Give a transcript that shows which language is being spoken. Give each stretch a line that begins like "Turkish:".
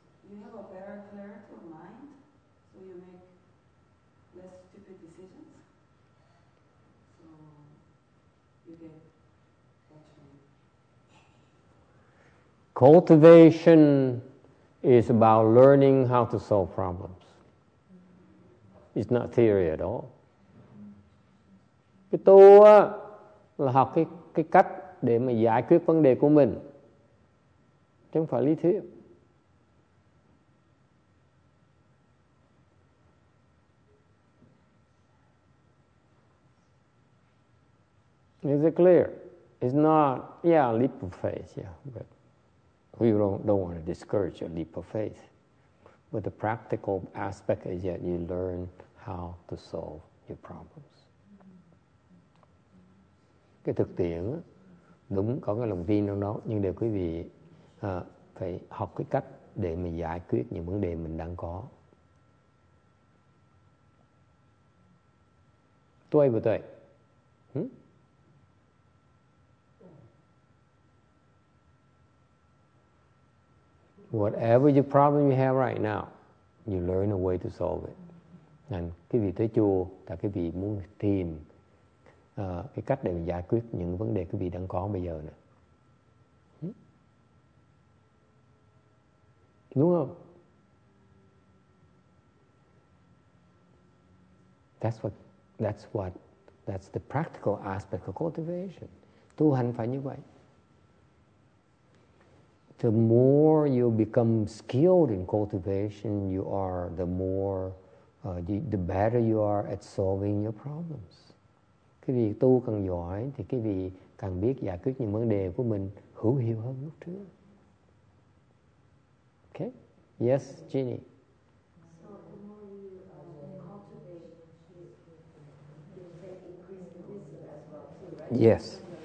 English: You have a better clarity of mind, so you make less stupid decisions. So you get what you need. Cultivation is about learning how to solve problems. It's not theory at all.
Vietnamese: Cái tu á là học cái cách để mà giải quyết vấn đề của mình, chứ không phải lý thuyết.
English: Is it clear? It's not, yeah, leap of faith, yeah, but we don't want to discourage a leap of faith. But the practical aspect is that you learn how to solve your problems.
Vietnamese: cái thực tiễn đúng có cái lòng tin trong đó, nhưng để quý vị phải học cái cách để mình giải quyết những vấn đề mình đang có. Tôi và tôi.
English: Whatever the problem you have right now, you learn a way to solve it.
Vietnamese: And cái vị tới chùa là cái vị muốn tìm cái cách để giải quyết những vấn đề cái vị đang có bây giờ nè. Đúng không?
English: That's the practical aspect of cultivation.
Vietnamese: Tu hành phải như vậy.
English: The more you become skilled in cultivation, you are the more, the better you are at solving your problems.
Vietnamese: Cái vị tu càng giỏi thì cái vị càng biết giải quyết những vấn đề của mình hữu hiệu hơn lúc trước.
English: Okay? Yes, Jeannie. Yes.